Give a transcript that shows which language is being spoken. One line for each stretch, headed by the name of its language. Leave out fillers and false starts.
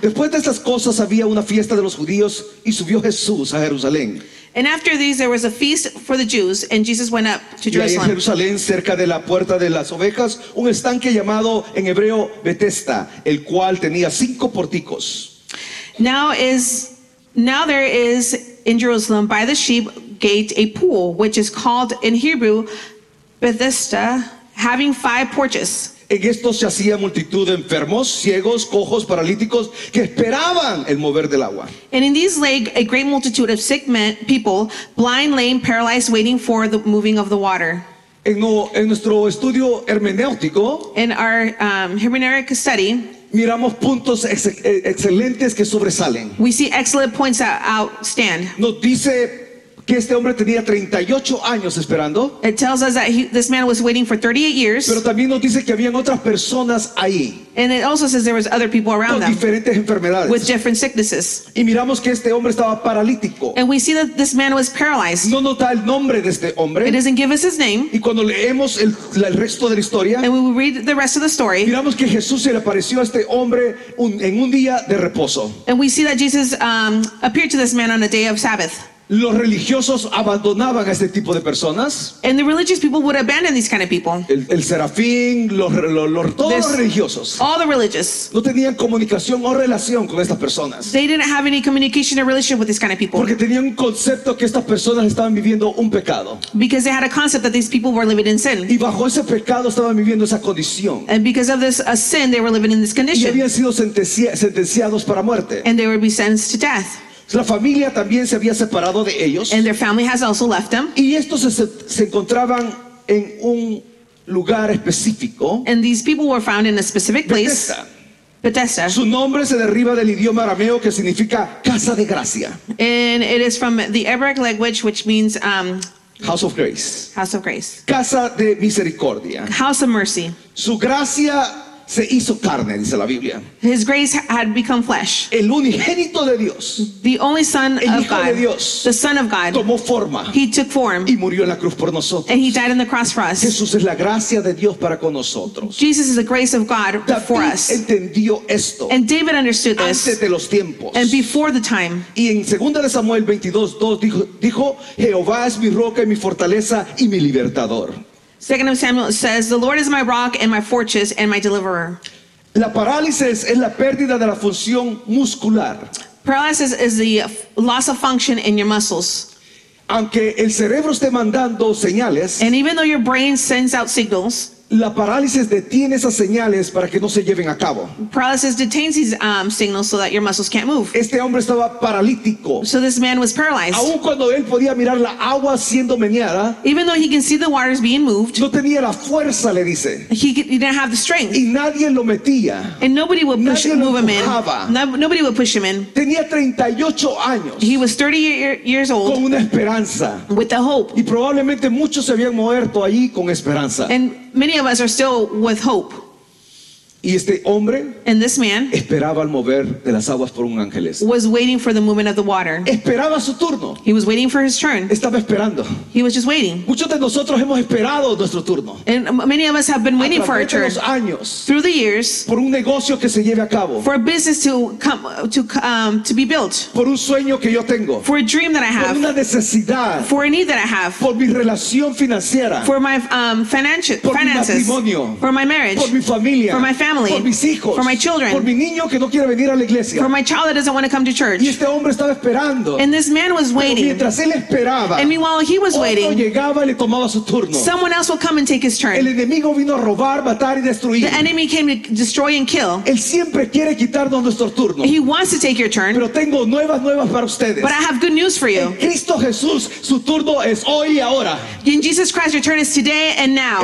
Spanish: Después de estas cosas había una fiesta de los judíos y subió Jesús a Jerusalén.
English: And after these there was a feast for the Jews and Jesus went up to Jerusalem.
Spanish: Y en Jerusalén, cerca de la puerta de las ovejas, un estanque llamado en hebreo Betesda, el cual tenía cinco pórticos.
English: Now there is in Jerusalem by the sheep gate a pool which is called in Hebrew Bethesda, having five porches.
Spanish: En estos se hacía multitud de enfermos, ciegos, cojos, paralíticos, que esperaban el mover del agua.
English: And in these lay a great multitude of sick men, people, blind, lame, paralyzed, waiting for the moving of the water.
Spanish: En nuestro estudio hermenéutico,
English: in our hermeneutic study,
Spanish: miramos puntos excelentes que sobresalen.
English: We see excellent points that outstand.
Spanish: Nos dice que este hombre tenía 38 años esperando.
English: It tells us that this man was waiting for 38 years.
Spanish: Pero también nos dice que habían otras personas ahí.
English: And it also says there was other people around them.
Spanish: Con diferentes enfermedades.
English: With different sicknesses.
Spanish: Y miramos que este hombre estaba paralítico.
English: And we see that this man was paralyzed.
Spanish: No nota el nombre de este hombre.
English: It doesn't give us his name.
Spanish: Y cuando leemos el resto de la historia.
English: And we read the rest of the story.
Spanish: Miramos que Jesús se le apareció a este hombre en un día de reposo.
English: And we see that Jesus appeared to this man on a day of Sabbath.
Spanish: Los religiosos abandonaban a este tipo de personas.
English: And the religious people would abandon these kind of people.
Spanish: El serafín, los religiosos.
English: All the religious.
Spanish: No tenían comunicación o relación con estas personas.
English: They didn't have any communication or relationship with these kind of people.
Spanish: Porque tenían un concepto que estas personas estaban viviendo un pecado.
English: Because they had a concept that these people were living in sin.
Spanish: Y bajo ese pecado estaban viviendo esa condición.
English: And because of this sin, they were living in this condition.
Spanish: Y habían sido sentenciados para muerte.
English: And they would be sentenced to death.
Spanish: La familia también se había separado de ellos.
English: And their family has also left them.
Spanish: Y estos se encontraban en un lugar específico.
English: And these people were found in a specific place. Bethesda.
Spanish: Su nombre se deriva del idioma arameo que significa casa de gracia.
English: And it is from the Hebraic language which means house of grace. House of grace.
Spanish: Casa de misericordia.
English: House of mercy.
Spanish: Su gracia se hizo carne, dice la Biblia.
English: His grace had become flesh.
Spanish: El unigénito de Dios.
English: The only son
Spanish: el
English: of
Spanish: Hijo
English: God.
Spanish: De Dios.
English: The son of God.
Spanish: Tomó forma.
English: He took form.
Spanish: Y murió en la cruz por nosotros.
English: And he died on the cross for us.
Spanish: Jesús es la gracia de Dios para con nosotros.
English: Jesus is the grace of God for us.
Spanish: David entendió esto.
English: And David understood this.
Spanish: Antes de los tiempos.
English: And before the time.
Spanish: Y en 2 Samuel 22:2 dijo, Jehová es mi roca y mi fortaleza y mi libertador.
English: 2 Samuel says, the Lord is my rock and my fortress and my deliverer.
Spanish: La parálisis es la pérdida de la función muscular.
English: Paralysis is the loss of function in your muscles.
Spanish: Aunque el cerebro esté mandando señales,
English: and even though your brain sends out signals,
Spanish: la parálisis detiene esas señales para que no se lleven a cabo.
English: Paralysis detains these signals so that your muscles can't move.
Spanish: Este hombre estaba paralítico.
English: So this man was paralyzed.
Spanish: Aun cuando él podía mirar la agua siendo meneada,
English: even though he can see the waters being moved,
Spanish: no tenía la fuerza, le dice.
English: He didn't have the strength.
Spanish: Y nadie lo metía.
English: And nobody would push
Spanish: nadie
English: him, move him in. Nobody would push him in.
Spanish: Tenía 38 años.
English: He was 38 years old.
Spanish: Con una esperanza.
English: With a hope.
Spanish: Y probablemente muchos se habían muerto allí con esperanza.
English: And many of us are still with hope.
Spanish: Y este hombre,
English: and this man,
Spanish: esperaba el mover de las aguas por un ángel.
English: Was waiting for the movement of the water.
Spanish: Esperaba su turno.
English: He was waiting for his turn.
Spanish: Estaba esperando.
English: He was just waiting.
Spanish: Muchos de nosotros hemos esperado nuestro turno.
English: And many of us have been waiting for our turn.
Spanish: A través de los años,
English: through the years,
Spanish: por un negocio que se lleve a cabo.
English: For a business to be built.
Spanish: Por un sueño que yo tengo.
English: For a dream that I have.
Spanish: Por una necesidad.
English: For a need that I have.
Spanish: Por mi relación financiera.
English: For my finances.
Spanish: Por mi matrimonio.
English: For my marriage.
Spanish: Por mi familia.
English: For my family. family,
Spanish: por mis hijos,
English: for my children,
Spanish: por mi niño que no quiere venir a la iglesia,
English: for my child that doesn't want to come to church.
Spanish: Y este hombre estaba esperando.
English: And this man was waiting.
Spanish: Pero mientras él esperaba,
English: and meanwhile he was waiting,
Spanish: otro llegaba y le tomaba su turno.
English: Someone else will come and take his turn.
Spanish: El enemigo vino a robar, matar y destruir.
English: The enemy came to destroy and kill.
Spanish: Él siempre quiere quitarnos nuestro turno.
English: He wants to take your turn.
Spanish: Pero tengo nuevas para ustedes.
English: But I have good news for you.
Spanish: En Cristo Jesús, su turno es hoy y ahora.
English: In Jesus Christ, your turn is today and now.